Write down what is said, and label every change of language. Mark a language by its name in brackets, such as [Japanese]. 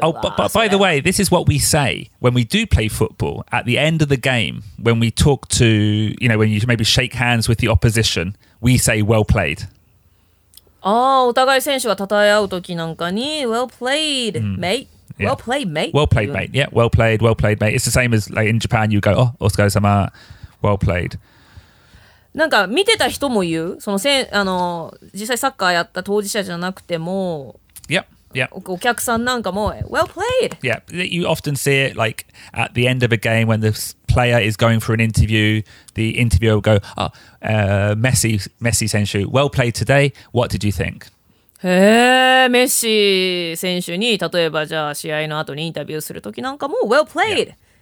[English] Oh, but by the way, this is what we say when we do play football at the end of the game, when we talk to, you know, when you maybe shake hands with the opposition, we say well played. [Japanese] Oh, お互い選手が称え合う時なんかに [English] well played, mate. Yeah. Well played, mate. Well played, mate. Yeah, well played, mate. It's the same as like in Japan, you go, oh, [Japanese] お疲れ様, [English] well played. [Japanese] なんか見てた人も言う、そのせあの実際サッカーやった当事者じゃなくても、 [English] yep, yep. [Japanese] お客さんなんかも、 [English] well played! Yeah, you often see it like at the end of a game when the player is going for an interview, the interviewer will go, oh, Messi 選手、well played today, what did you think? [Japanese] へぇ、メッシ選手に例えばじゃあ試合の後にインタビューするときなんかも、 [English] well played!、 [Japanese] Yeah.